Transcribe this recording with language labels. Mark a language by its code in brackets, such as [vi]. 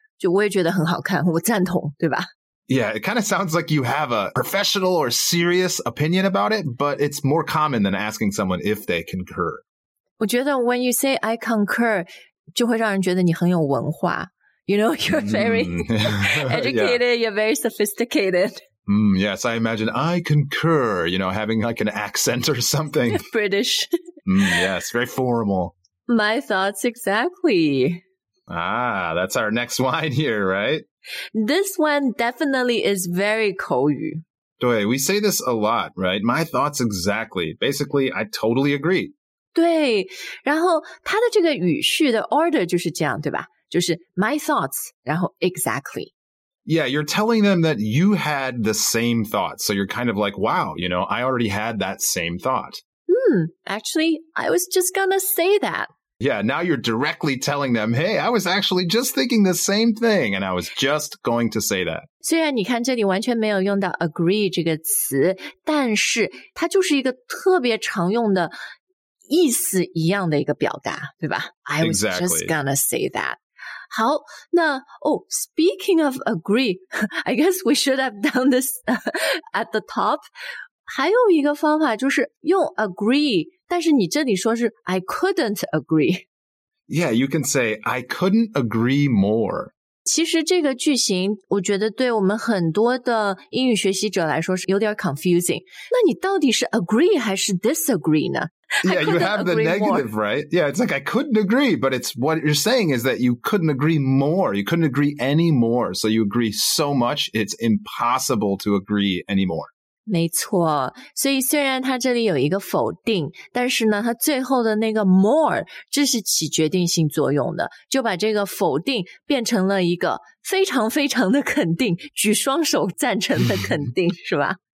[zh] 就我也觉得很好看，我赞同，对吧？ [en] Yeah, it kind of sounds like you have a professional or serious opinion about it, but it's more common than asking someone if they concur. [zh] 我觉得 [en] when you say I concur, [zh] 就会让人觉得你很有文化。 [en] You know, you're very educated, You're very sophisticated. Yes, I imagine I concur, you know, having like an accent or something. British. Yes, very formal. My thoughts exactly. Ah, that's our next line here, right? This one definitely is very 口语. 对, we say this a lot, right? My thoughts exactly. Basically, I totally agree. [zh] 对, 然后它的这个语序的 order 就是这样,对吧? 就是 [en] my thoughts, [zh] 然后 [en] exactly. Yeah, you're telling them that you had the same thought. So you're kind of like, wow, you know, I already had that same thought. Actually, I was just gonna say that. Yeah, now you're directly telling them, hey, I was actually just thinking the same thing, and I was just going to say that. [zh] 虽然你看这里完全没有用到 agree 这个词，但是它就是一个特别常用的意思一样的一个表达，对吧？ [en] I was、 exactly. just gonna say that. [zh] 好，那 [en] oh, speaking of agree, I guess we should have done this at the top. [zh] 还有一个方法就是用 agree, 但是你这里说是 [en] I couldn't agree. Yeah, you can say I couldn't agree more. [zh] 其实这个句型我觉得对我们很多的英语学习者来说是有点 confusing. 那你到底是 agree 还是 disagree 呢？ [en] Yeah, you have the negative, right? Yeah, it's like, I couldn't agree, but it's what you're saying is that you couldn't agree more. You couldn't agree anymore. So you agree so much, it's impossible to agree anymore. [zh] 没错。所以虽然它这里有一个否定，但是呢，它最后的那个 more, 这是起决定性作用的，就把这个否定变成了一个非常非常的肯定，举双手赞成的肯定，是吧？